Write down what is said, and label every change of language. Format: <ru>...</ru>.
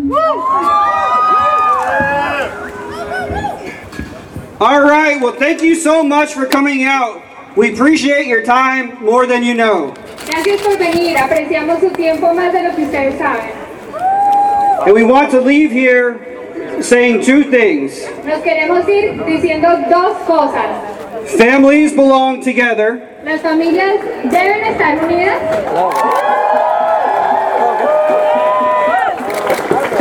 <en>All right, well, thank you so much for coming out. We appreciate your time more than you know.</en> <es>Gracias por venir. Apreciamos su tiempo más de lo que ustedes saben.</es> <en>And we want to leave here saying two things.</en> <es>Nos queremos ir diciendo dos cosas.</es> <en>Families belong together.</en> <es>Las familias deben estar unidas.</es>